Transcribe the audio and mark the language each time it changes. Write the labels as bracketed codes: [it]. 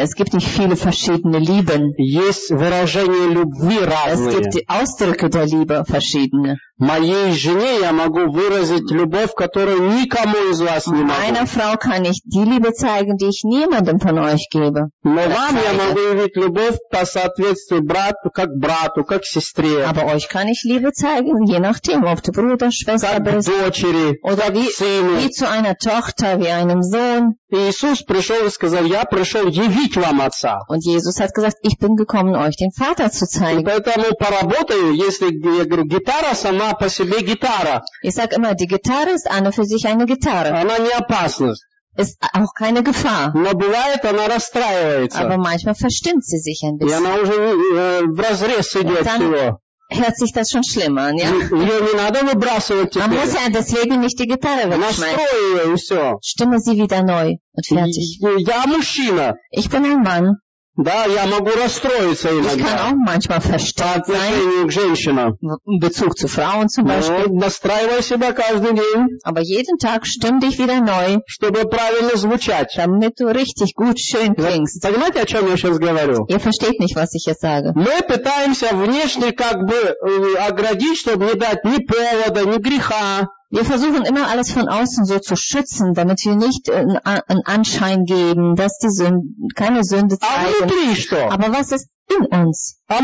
[de] Es gibt nicht viele verschiedene Lieben. Es gibt die Ausdrücke der Liebe verschiedene. [ru] Моей жене я могу выразить любовь, которую никому из вас не могу. [de] Meiner Frau kann ich die Liebe zeigen, die ich niemandem von euch gebe. [ru] Но вам я могу явить любовь по соответствию брату, как сестре. [de] Aber euch kann ich Liebe zeigen, je nachdem, ob du Bruder, Schwester bist. [ru] Как дочери, как сыну. [de] Wie zu einer Tochter, wie einem Sohn. [ru] Иисус пришел сказал, я пришел явить вам Отца. [de] Und Jesus hat gesagt, ich bin gekommen, euch den Vater zu zeigen. [ru] И поэтому поработаю, если я говорю, гитара сама по себе гитара. [de] Ich sag immer, die Gitarre ist an und für sich eine Gitarre. [ru] Она не опасность. [de] Ist auch keine Gefahr. [ru] Но бывает, она расстраивается. [de] Aber manchmal verstimmt sie sich ein bisschen. [ru] И она уже в разрез идет всего. [de] Hört sich das schon schlimm an, ja? Man muss ja deswegen nicht die Gitarre wegschmeißen. Stimme sie wieder neu und fertig. Ich bin ein Mann. [ru] Да, я могу расстроиться иногда. [de] Ich kann auch manchmal verstört sein. [ru] К женщинам. [de] В Bezug zu Frauen zum Beispiel. [ru] Но настраивай себя каждый день. [de] Aber jeden Tag stimm dich wieder neu. [ru] Чтобы правильно звучать. [de] Damit du richtig gut schön klingst. [ru] Да, понимаете, о чем я сейчас говорю? [de] Ihr versteht nicht, was ich jetzt sage. [ru] Мы пытаемся внешне как бы оградить, чтобы не дать ни повода, ни греха. [de] Wir versuchen immer alles von außen so zu schützen, damit wir nicht einen Anschein geben, dass die Sünde, keine Sünde zeigen. Aber was ist in uns?